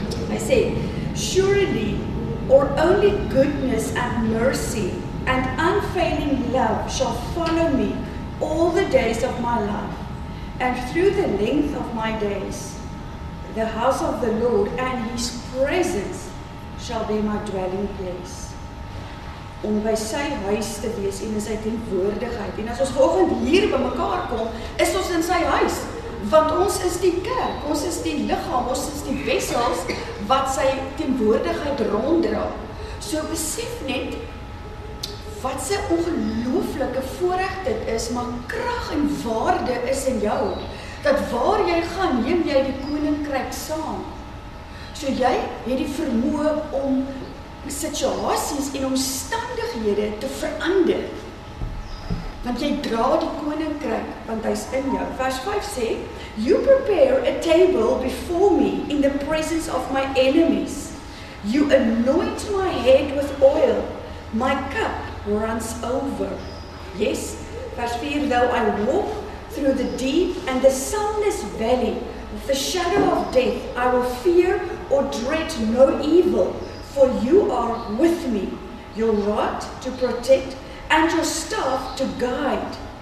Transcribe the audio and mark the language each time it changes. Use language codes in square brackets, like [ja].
[af] Hy sê, [en] "Surely or only goodness and mercy and unfailing love shall follow me all the days of my life and through the length of my days." The house of the Lord and His presence shall be my dwelling place. [af] Om by sy huis te wees en in sy teenwoordigheid. En as ons vanoggend hier by mekaar kom, is ons in sy huis. Want ons is die kerk, ons is die liggaam, ons is die wessels wat sy teenwoordigheid ronddra. So besef net wat 'n ongelooflike voorreg dit is, maar krag en waarde is in jou. Dat waar jy gaan, neem jy die koninkryk saam. So jy het die vermoë om situasies en omstandighede te verander. Want jy dra die koninkryk, want hy's in jou. Vers 5 sê, [en] "You prepare a table before me in the presence of my enemies. You anoint my head with oil. My cup runs over." Yes, [af] vers 4, [en] "Though I walk through the deep and the soundless valley of the shadow of death, I will fear or dread no evil, for you are with me, your rod to protect and your staff to guide.